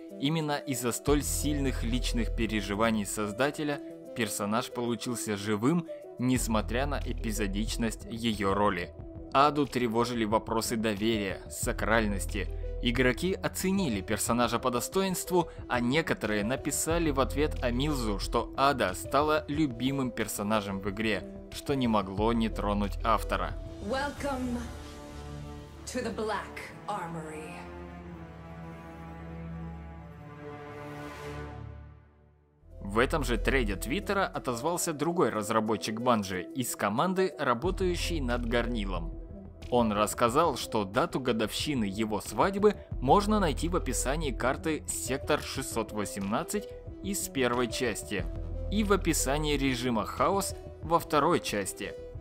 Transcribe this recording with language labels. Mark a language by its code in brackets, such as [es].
[ru] Именно из-за столь сильных личных переживаний создателя персонаж получился живым, несмотря на эпизодичность ее роли. Аду тревожили вопросы доверия, сакральности. Игроки оценили персонажа по достоинству, а некоторые написали в ответ Амилзу, что Ада стала любимым персонажем в игре, что не могло не тронуть автора. [en] Welcome to the Black Armory. [ru] В этом же трейде Твиттера отозвался другой разработчик Bungie из команды, работающей над Горнилом. Он рассказал, что дату годовщины его свадьбы можно найти в описании карты Сектор 618 из первой части и в описании режима Хаос во второй части.